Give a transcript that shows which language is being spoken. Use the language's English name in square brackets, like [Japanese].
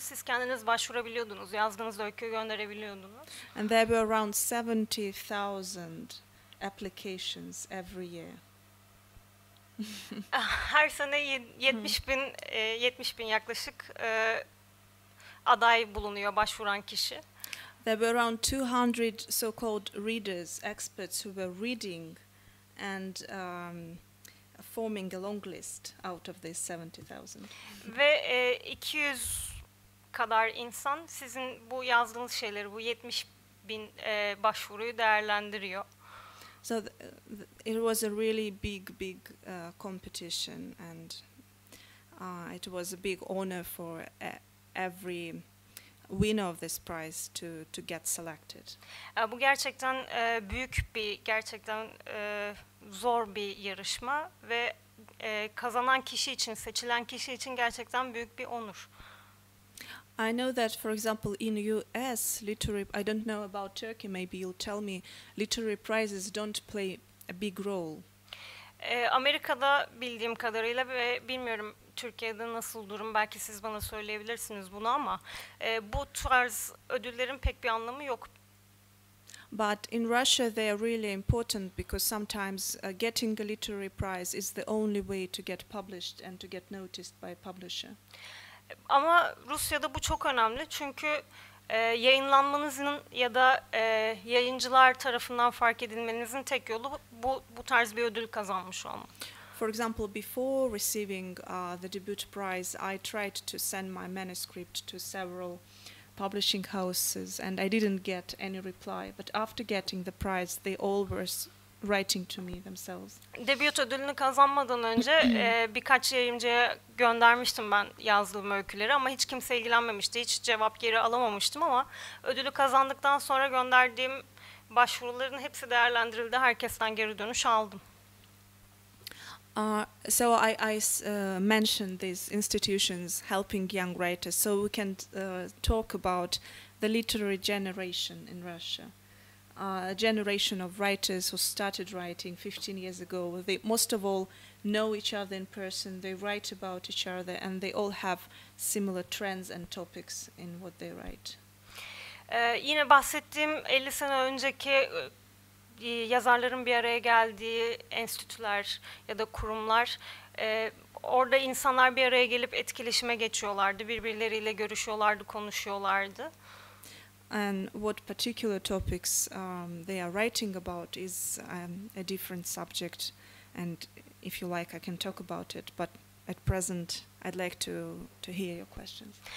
[Turkish] Siz kendiniz başvurabiliyordunuz, yazdığınız öykü gönderebiliyordunuz. [English] And there were around 70,000 applications every year. [Turkish] Her sene 70 bin yaklaşık aday bulunuyor, başvuran kişi. [English] There were around 200 so-called readers, experts who were reading and forming a long list out of these 70,000. [Turkish] Ve 200 kadar insan sizin bu yazdığınız şeyleri, bu 70 bin başvuruyu değerlendiriyor. [English] So it was a really big competition, and it was a big honor for every winner of this prize to get selected. [Turkish] Bu gerçekten büyük bir, gerçekten zor bir yarışma ve kazanan kişi için, seçilen kişi için gerçekten büyük bir onur. [English] I know that, for example, in US literary, I don't know about Turkey, maybe you'll tell me, literary prizes don't play a big role. [Turkish] Amerika'da bildiğim kadarıyla ve bilmiyorum Türkiye'de nasıl durum, belki siz bana söyleyebilirsiniz bunu ama bu tarz ödüllerin pek bir anlamı yok. [English] But in Russia they are really important because sometimes getting a literary prize is the only way to get published and to get noticed by a publisher. [Turkish] Ama Rusya'da bu çok önemli çünkü yayınlanmanızın ya da yayıncılar tarafından fark edilmenizin tek yolu bu tarz bir ödül kazanmış olmak. [English] For example, before receiving the Debut Prize, I tried to send my manuscript to several publishing houses and I didn't get any reply. But after getting the prize, they all were writing to me themselves. [Turkish] Debut ödülünü kazanmadan önce birkaç yayıncıya göndermiştim ben yazdığım öyküleri ama hiç kimse ilgilenmemişti, hiç cevap geri alamamıştım ama ödülü kazandıktan sonra gönderdiğim başvuruların hepsi değerlendirildi, herkesten geri dönüş aldım. [English] So I mentioned these institutions helping young writers, so we can talk about the literary generation in Russia. A generation of writers who started writing 15 years ago. They most of all know each other in person, they write about each other, and they all have similar trends and topics in what they write. [Turkish] Yine bahsettiğim 50 sene önceki yazarların bir araya geldiği enstitüler ya da kurumlar, orada insanlar bir araya gelip etkileşime geçiyorlardı, birbirleriyle görüşüyorlardı, konuşuyorlardı. [English] and what particular topics they are writing about is a different subject, and if you like, I can talk about it, but at present I'd like to hear your questions.